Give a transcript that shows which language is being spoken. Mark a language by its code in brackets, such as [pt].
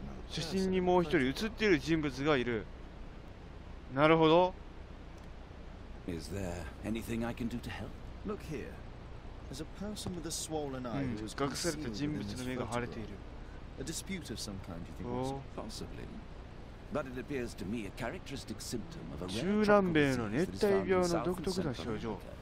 [ja] 写真にもう一人写っている人物がいる。なるほど。 [en] Is there anything I can do to help? Look here. There's a person with a swollen eye who's concealed within this photograph. [ja] 隠された人物の目が腫れている。 [en] A dispute of some kind, you think? Possibly. But it appears to me a characteristic symptom of a rare tropical disease. [ja] 中南米の熱帯病の独特な症状。